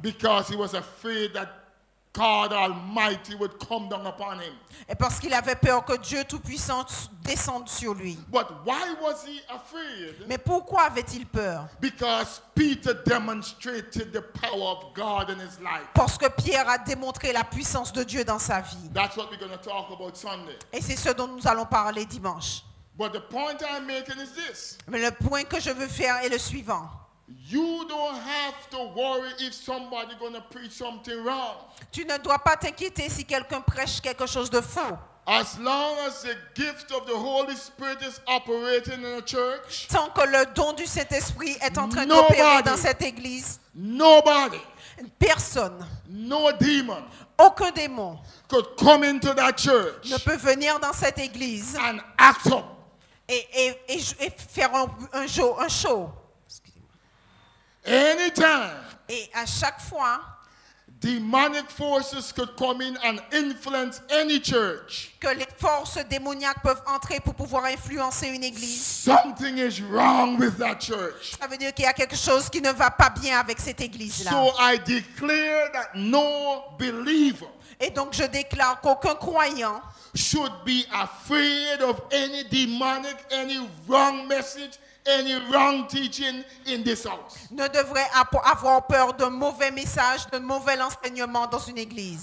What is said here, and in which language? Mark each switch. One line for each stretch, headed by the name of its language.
English: Because he was afraid that God Almighty would come down upon him.
French: Et parce qu'il avait peur que Dieu Tout-Puissant descende sur lui.
English: But why was he afraid?
French: Mais pourquoi avait-il peur?
English: Because Peter demonstrated the power of God in his life.
French: Parce que Pierre a démontré la puissance de Dieu dans sa vie.
English: That's what we're going to talk about Sunday.
French: Et c'est ce dont nous allons parler dimanche.
English: But the point I'm making is this.
French: Mais le point que je veux faire est le suivant.
English: You don't have to worry if somebody's going to preach something wrong.
French: Tu ne dois pas t'inquiéter si quelqu'un prêche quelque chose de faux.
English: As long as the gift of the Holy Spirit is operating in a church.
French: Tant que le don du Saint-Esprit est en train d'opérer dans cette église.
English: Nobody.
French: Personne.
English: No demon.
French: Aucun démon.
English: Could come into that church.
French: Ne peut venir dans cette église.
English: And act up.
French: Et faire un show.
English: Anytime.
French: Et à chaque fois.
English: Demonic forces could come in and influence any church.
French: Que les forces démoniaques peuvent entrer pour pouvoir influencer une église.
English: Something is wrong with that church.
French: Ça veut dire qu'il y a quelque chose qui ne va pas bien avec cette église là.
English: So I declare that no believer.
French: Et donc je déclare qu'aucun croyant
English: should be afraid of any demonic, any wrong message. Any wrong teaching in this house.
French: Ne devrait avoir peur de mauvais messages, de mauvais enseignements dans une église.